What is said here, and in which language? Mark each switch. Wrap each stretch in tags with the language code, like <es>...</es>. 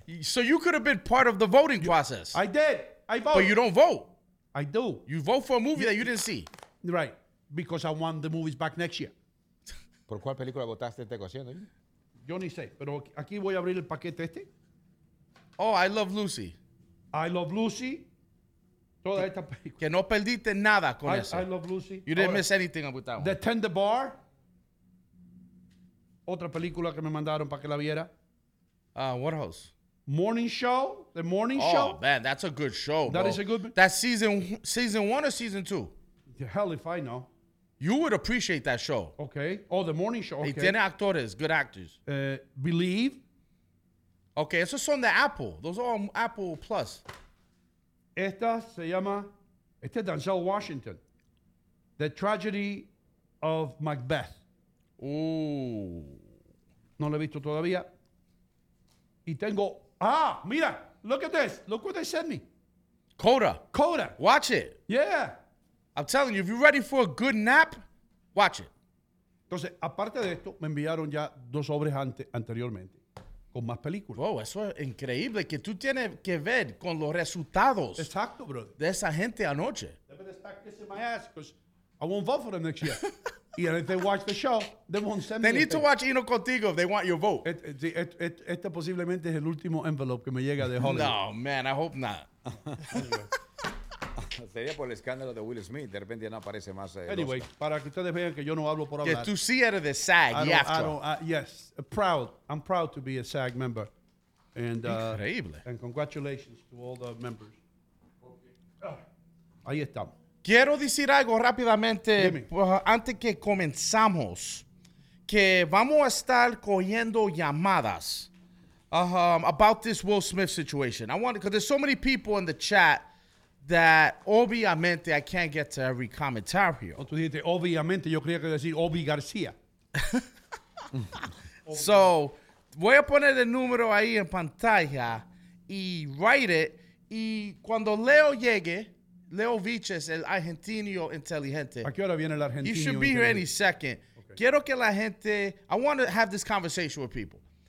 <en>So you could have been part of the voting process. I did. I voted. But you don't vote. I do. You vote for a movie that you didn't see. Right. Because I want the movies back next year.</en> <es>¿Por cuál película votaste esta ocasión? Yo ni sé, pero aquí voy a abrir el paquete este.</es> <en>Oh, I Love Lucy.</en> <es>I Love Lucy. Toda esta película. Que no perdiste nada con eso. I Love Lucy.</es> <en>You didn't miss anything about that one. The Tender Bar.</en> <es>Otra película que me mandaron para que la viera.</es> <en>What else? Morning Show. The Morning Show. Oh, man, that's a good show. That bro. Is a good... That's season one or season two? The hell if I know. You would appreciate that show. Okay. Oh, The Morning Show. Okay.</en> <es>Y tiene actores,</es> <en>good actors. Believe. Okay,</en> <es>esos son de Apple.</es> <en>Those are Apple Plus.</en> <es>Esta se llama... Este es Denzel Washington. The Tragedy of Macbeth. No lo he visto todavía. Y tengo... Ah, mira.</es> <en>Look at this. Look what they sent me. Coda. Watch it. Yeah. I'm telling you, if you're ready for a good nap, watch it.</en> <es>Entonces, aparte de esto, me enviaron ya dos sobres anteriormente con más películas. Wow, eso es increíble que tú tienes que ver con los resultados. Exacto, brother. De esa gente anoche. Debe de estar</es> <en>kissing my ass because I won't vote for them next year. And if they watch the show, they won't send they me. They need to watch Ino Contigo if they want your vote.</en> <es>Este posiblemente es el último envelope que me llega de Hollywood.</es> <en>No, man, I hope not.</en> <es>Sería por el escándalo de Will Smith. De repente ya no aparece más. Anyway, para que ustedes vean que yo no hablo por hablar.</es> <en>Yeah, to see out of the SAG, yes. Proud. I'm proud to be a SAG member. And,</en> <es>increíble.</es> <en>And congratulations to all the members. Okay.</en> <es>Ahí estamos. Quiero decir algo rápidamente antes que comenzamos, que vamos a estar cogiendo llamadas</es> <en>about this Will Smith situation. I want, because there's so many people in the chat that obviamente I can't get to every commentario.</en> <es>Tú dijiste obviamente, yo quería decir Obi García. So, voy a poner el número ahí en pantalla y</es> <en>write it,</en> <es>y cuando Leo llegue, Leo Viches, el argentino inteligente. ¿A qué hora viene el argentino?</es> <en>You should be here any second. Okay.</en> <es>Quiero que la gente...</es> <en>I want to have this conversation with people.</en>